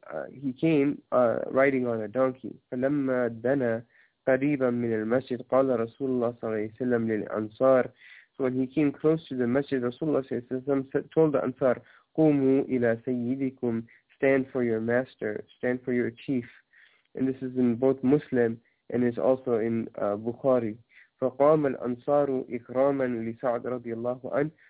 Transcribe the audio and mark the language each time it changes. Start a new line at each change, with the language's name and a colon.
English: He came riding on a donkey.
Arabic: فلما دنا قريبا من المسجد قال رسول الله صلى الله عليه وسلم للأنصار.
English: So when he came close to the masjid, Rasulullah
Arabic: صلى الله عليه وسلم
English: told the Ansar,
Arabic: قوموا إلى سيدكم,
English: stand for your master, stand for your chief. And this is in both Muslim and is also in Bukhari.
Arabic: فقام الأنصار إكراما لسعد رضي الله عنه.